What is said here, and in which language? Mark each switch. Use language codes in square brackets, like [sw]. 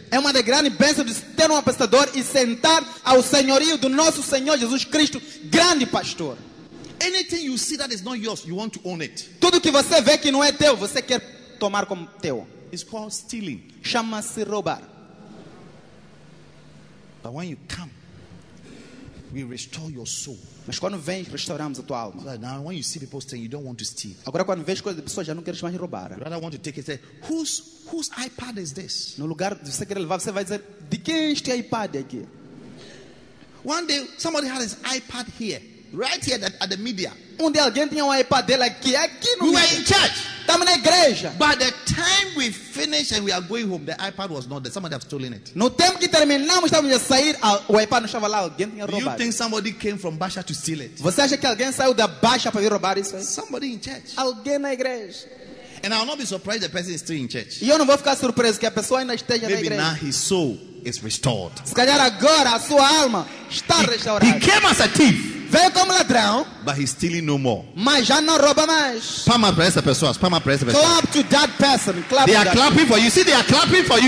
[pt] É uma das grandes bênçãos de ter um pastor e sentar ao senhorio do nosso Senhor Jesus Cristo, grande pastor. [en] Anything you see that is not yours, you want to own it. [pt] Tudo que você vê que não é teu, você quer tomar como teu. [en] It's called stealing. [pt] Chama-se roubar. [en] But when you come, we restore your soul. [pt] Mas quando vem, restauramos a tua alma. [en] So now, when you see the poster, you don't want to steal. [pt] Agora quando vês coisas de pessoas, já não queres mais roubar. [en] You rather want to take it. Say, whose iPad is this? [pt] No lugar de você querer levar, você vai dizer, de quem este iPad aqui? [en] One day, somebody had his iPad here, right here at the media. [pt] Um dia alguém tinha iPad dele aqui no. [en] We were in church. [pt] Estamos na igreja. [en] By the time we finished and we are going home, the iPad was not there. Somebody has stolen it. [pt] No tempo que terminamos, estávamos a sair, o iPad não estava lá. Alguém tinha roubado. [en] You think somebody came from Baixa to steal it? [pt] Você acha que alguém saiu da Baixa para vir roubar isso? [en] Somebody in church. [pt] Alguém na igreja. [en] And I'll not be surprised the person is still in church. [pt] Eu não vou ficar surpreso que a pessoa ainda esteja na igreja. [en] Maybe now his soul is restored. [pt] Se calhar agora a sua alma está restaurada. [en] He came as a thief. [pt] Veio como ladrão. [en] But he's stealing no more. [pt] Mas já não rouba mais. Palma para essa pessoa. Palma para essa pessoa. [en] Clap to that person. Clap. They are clapping for you. See, they are clapping for you.